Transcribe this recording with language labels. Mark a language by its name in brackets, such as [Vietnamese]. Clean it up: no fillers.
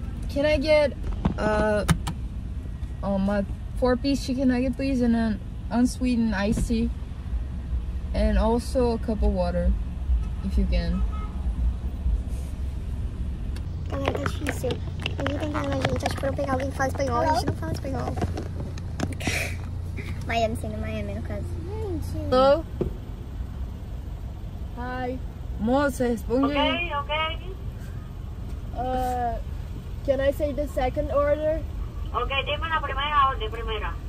[English] Can I get my 4-piece chicken nugget, please, and an unsweetened iced tea, and also a cup of water, if you can. [Portuguese] Galera, tá difícil. Ninguém tá entendendo a gente. Acho que foi pegar alguém que fala espanhol. [English] Hello? [Portuguese] A gente não fala espanhol. Miami, sim, no Miami, no caso. [English] Hello? [Portuguese] Hi. Moça, responde. [English] Ok, ok. Can I say the second order? [Spanish] Ok, dime la primera o de primera.